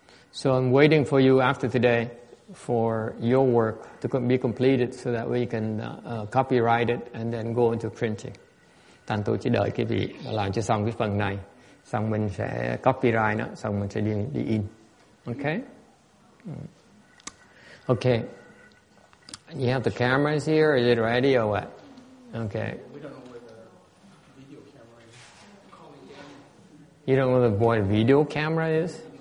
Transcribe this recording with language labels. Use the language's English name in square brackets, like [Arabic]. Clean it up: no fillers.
[English] So I'm waiting for you after today for your work to be completed so that we can copyright it and then go into printing. [Vietnamese] Thành tôi chỉ đợi quý vị làm cho xong cái phần này. Xong mình sẽ copyright nó, xong mình sẽ đi in. [English] Okay. You have the cameras here, or is it ready or what? Okay. We don't know where the video camera is. You don't know where the video camera is?